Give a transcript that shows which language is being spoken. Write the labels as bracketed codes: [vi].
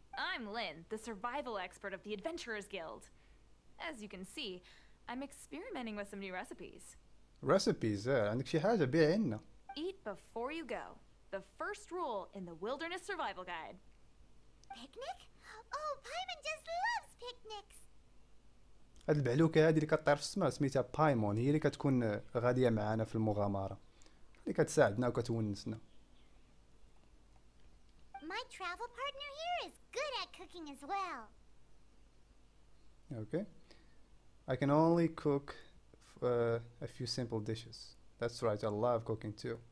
[en] I'm Lynn, the survival expert of the Adventurers Guild. As you can see, I'm experimenting with some new recipes. [ar] Recipes? عندك شي حاجة بيع لنا. [en] Eat before you go. The first rule in the Wilderness Survival Guide. Picnic? Oh, Paimon just loves picnics. [ar] هاد البعلوكة هادي اللي كطير في السماء سميتها بايمون، هي اللي كتكون غادية معانا في المغامرة، اللي كتساعدنا وكتونسنا. [en] My travel partner here is good at cooking as well. Okay. I can only cook a few simple dishes. That's right, I love cooking too.